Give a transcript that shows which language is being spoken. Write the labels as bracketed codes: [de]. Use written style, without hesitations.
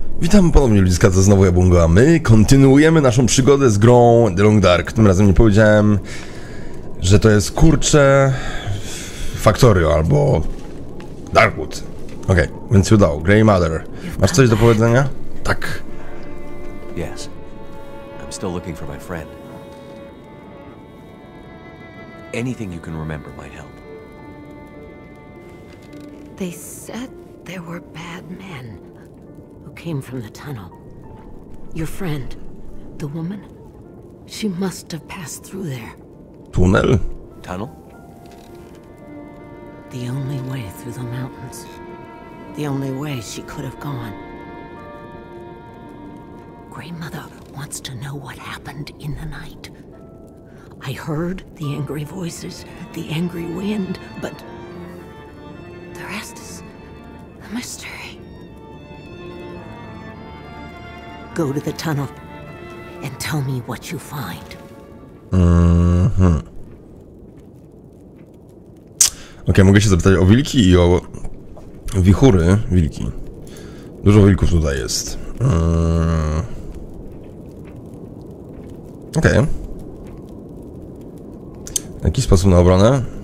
[pl] Witam ponownie ludziska, to znowu ja Bungo, a my kontynuujemy naszą przygodę z grą The Long Dark. Tym razem nie powiedziałem, że to jest kurcze Factorio albo Darkwood. Okej, okay, więc się udało. Grey Mother. Masz coś do powiedzenia? Tak. [en] Yes. I'm still looking for my friend. Anything you can remember might help. They said there were bad men who came from the tunnel. Your friend, the woman, she must have passed through there. Tunnel? Tunnel? The only way through the mountains. The only way she could have gone. Greymother wants to know what happened in the night. I heard the angry voices, the angry wind, but the rest is a mystery. Go to the tunnel and tell me what you find. Mm-hmm. [pl] Okej, mogę się zapytać o wilki i o wichury. Wilki. Dużo wilków tutaj jest. Okej. Okay. Jaki sposób na obronę?